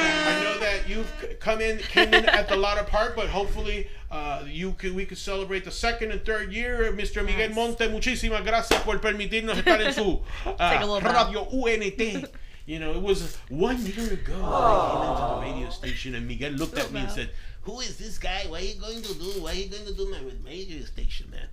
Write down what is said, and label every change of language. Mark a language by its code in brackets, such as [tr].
[en] I know that you've came in at the latter part, but hopefully we could celebrate the second and third year. Mr. Yes. [es] Miguel Monte, muchísimas gracias por permitirnos estar en su radio UNT. [en] You know, it was 1 year ago I came into the radio station and Miguel looked at me and said, who is this guy? What are you going to do? What are you going to do with my radio station, man?